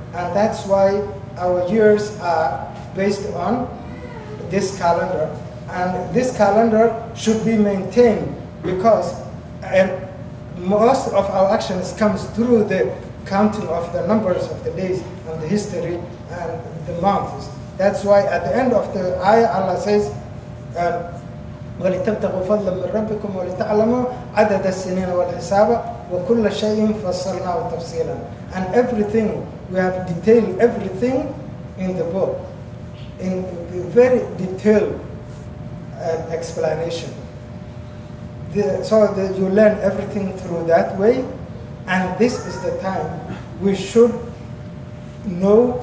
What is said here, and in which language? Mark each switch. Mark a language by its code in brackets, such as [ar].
[en] And that's why our years are based on this calendar. And this calendar should be maintained, because most of our actions comes through the counting of the numbers of the days and the history and the months. That's why at the end of the ayah, Allah says, [ar] وَلِتَبْتَغُوا فَضْلًا مِنْ رَبِّكُمْ وَلِتَعْلَمُوا عَدَدَ السِّنِينَ وَالْحِسَابَ وَكُلَّ شَيْءٍ فَصَّلْنَاهُ تَفْصِيلًا. [en] And everything, we have detailed everything in the book, in very detailed explanation. So you learn everything through that way, and this is the time we should know.